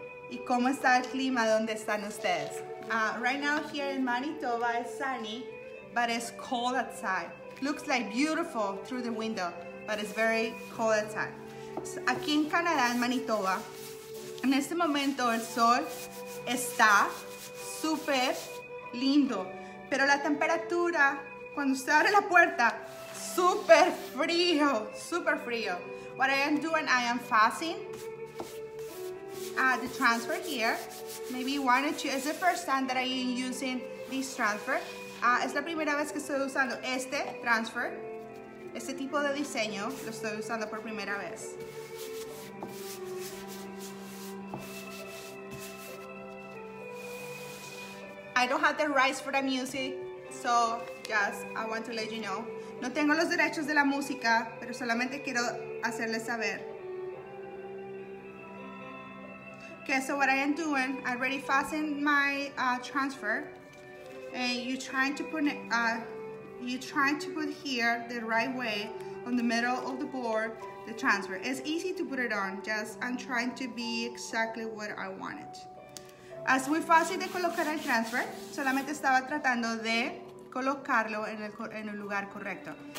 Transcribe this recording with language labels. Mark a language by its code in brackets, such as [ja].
[es] ¿Y cómo está el clima donde están ustedes? [en] Right now here in Manitoba, it's sunny, but it's cold outside. Looks like beautiful through the window, but it's very cold outside. [es] Aquí en Canadá, en Manitoba, en este momento el sol está súper lindo, pero la temperatura, cuando usted abre la puerta, súper frío, súper frío. [en] What I am doing, I am fussing the transfer here. Maybe one or two, it's the first time that I am using this transfer. [es] Es la primera vez que estoy usando este transfer. Este tipo de diseño lo estoy usando por primera vez. [en] I don't have the rights for the music, so just I want to let you know. [es] No tengo los derechos de la música, pero solamente quiero hacerles saber. [en] Okay, so what I am doing, I already fastened my transfer. And you're trying to put here the right way on the middle of the board, the transfer. It's easy to put it on, just I'm trying to be exactly what I wanted. [es] Es muy fácil de colocar el transfer, solamente estaba tratando de colocarlo en el lugar correcto.